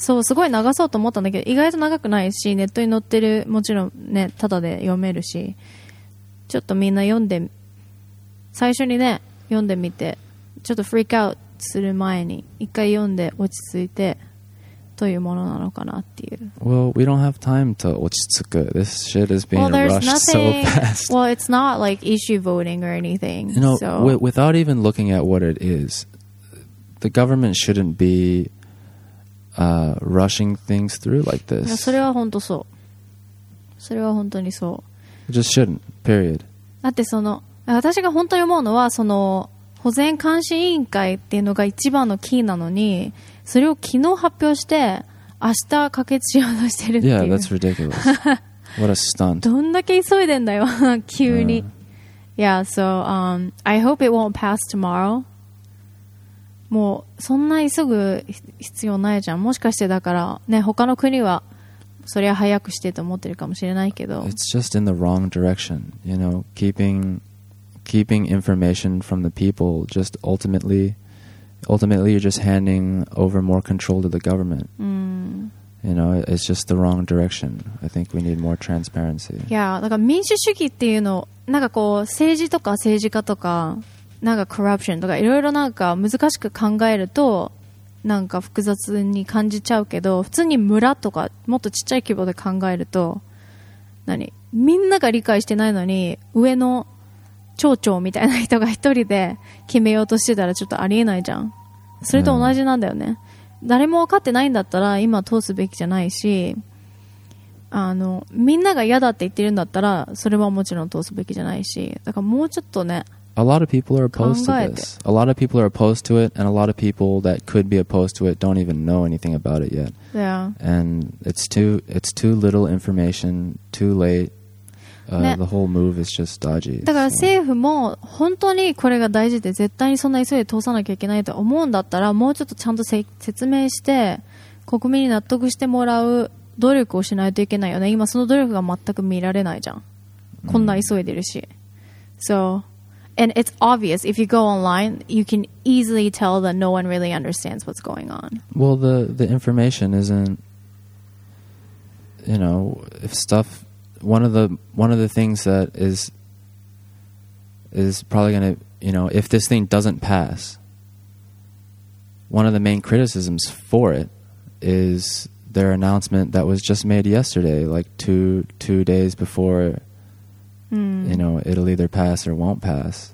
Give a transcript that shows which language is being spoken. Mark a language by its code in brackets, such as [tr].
[ja] そう、すごい長そうと思ったんだけど、意外と長くないし、ネットに載ってる、もちろんね、ただで読めるし、ちょっとみんな読んで、最初にね、読んでみて、ちょっとフリークアウトする前に、一回読んで落ち着いて、というものなのかなっていう。 [en] Well, we don't have time to 落ち着く.This shit is being rushed so fast. Well, it's not like issue voting or anything. You know, so. Without even looking at what it is, the government shouldn't be rushing things through like this. [ja] それは本当そう。それは本当にそう。 [en] It just shouldn't, period. [ja] だってその、私が本当に思うのはその保全監視委員会っていうのが一番のキーなのにそれを昨日発表して明日可決しようとしてるっていう。 [en] Yeah, that's ridiculous. What a stunt. [ja] どんだけ急いでんだよ急に、 [en] Yeah, so I hope it won't pass tomorrow. [ja] もうそんな急ぐ必要ないじゃん。もしかしてだからね、他の国はそれは早くしてと思ってるかもしれないけど。 [en] It's just in the wrong direction. You know, keeping information from the people just ultimately you're just handing over more control to the government. You know, it's just the wrong direction. I think we need more transparency. [ja] Yeah, だから民主主義っていうのなんかこう政治とか政治家とかなんかコラプションとかいろいろなんか難しく考えるとなんか複雑に感じちゃうけど普通に村とかもっとちっちゃい規模で考えると何みんなが理解してないのに上の町長みたいな人が一人で決めようとしてたらちょっとありえないじゃん。それと同じなんだよね。誰も分かってないんだったら今通すべきじゃないし、あのみんなが嫌だって言ってるんだったらそれはもちろん通すべきじゃないし、だからもうちょっとね。 [en] A lot of people are opposed to this. A lot of people are opposed to it, and a lot of people that could be opposed to it don't even know anything about it yet. Yeah. And it's too little information, too late. the whole move is just dodgy. [ja] だから政府も本当にこれが大事で絶対にそんな急いで通さなきゃいけないと思うんだったらもうちょっとちゃんと説明して国民に納得してもらう努力をしないといけないよね。今その努力が全く見られないじゃん。こんな急いでるし。 [en] So, and it's obvious if you go online, you can easily tell that no one really understands what's going on. Well, the information isn't, you know, if stuff, one of the things that is probably going to, you know, if this thing doesn't pass, one of the main criticisms for it is their announcement that was just made yesterday, like two days before, you know, it'll either pass or won't pass.